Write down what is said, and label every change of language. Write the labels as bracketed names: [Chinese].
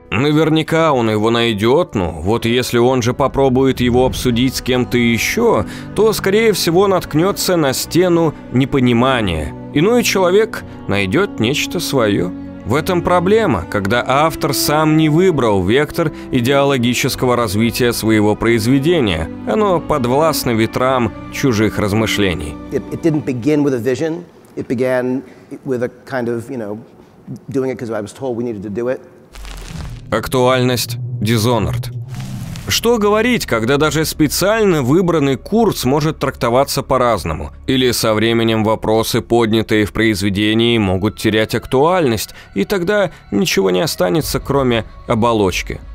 [Russian] Наверняка он его найдет, но вот если он же попробует его обсудить с кем-то еще, то, скорее всего, наткнется на стену непонимания. Иной человек найдет нечто свое. В этом проблема, когда автор сам не выбрал вектор идеологического развития своего произведения. Оно подвластно ветрам чужих размышлений. [English] It didn't begin with a vision. It began with a kind of, you know, doing it because I was told we needed to do it. [Russian] Актуальность Dishonored. Что говорить, когда даже специально выбранный курс может трактоваться по-разному? Или со временем вопросы, поднятые в произведении, могут терять актуальность, и тогда ничего не останется, кроме оболочки.